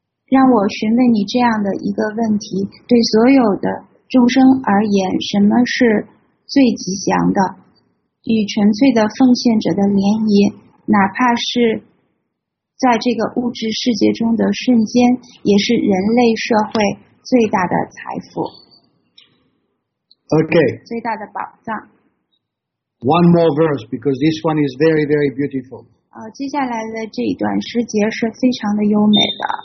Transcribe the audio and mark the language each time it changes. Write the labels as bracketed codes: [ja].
[zh] 让我询问你这样的一个问题，对所有的众生而言，什么是最吉祥的？与纯粹的奉献者的联谊，哪怕是在这个物质世界中的瞬间，也是人类社会最大的财富。 Okay. 最大的宝藏。 [en] One more verse, because this one is very, very beautiful. [zh] 接下来的这一段诗节是非常的优美的。